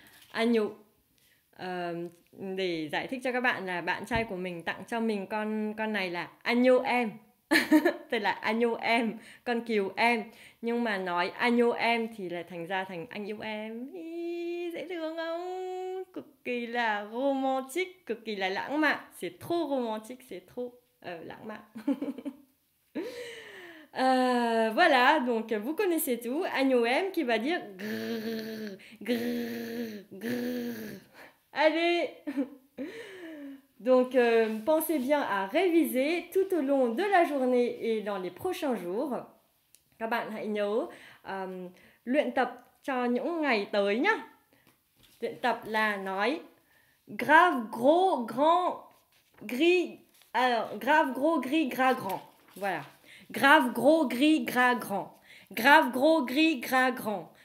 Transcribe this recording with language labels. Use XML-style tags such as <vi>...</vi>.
<vi>Anyu, để giải thích cho các bạn là bạn trai của mình tặng cho mình con này là Anyu em. Tức là Anyu em, con cừu em. Nhưng mà nói Anyu em thì lại thành ra thành anh yêu em. Dễ thương không? Cực kỳ là romantic, cực kỳ là lãng mạn.</vi> <fr>C'est trop romantique, c'est trop</fr> <vi>lãng mạn.</vi> <fr>voilà, donc vous connaissez tout. Agneau M qui va dire grrr, grrr, grrr. Allez. Donc pensez bien à réviser tout au long de la journée et dans les prochains jours.</fr> <vi>Các bạn hãy nhớ luyện tập cho những ngày tới nhá. Luyện tập là nói</vi> <fr>grave, gros, grand, gris, grave, gros, gris, gras, grand. Voilà. Grave, gros, gris, gras, grand. Grave, gros, gris, gras, grand.</fr>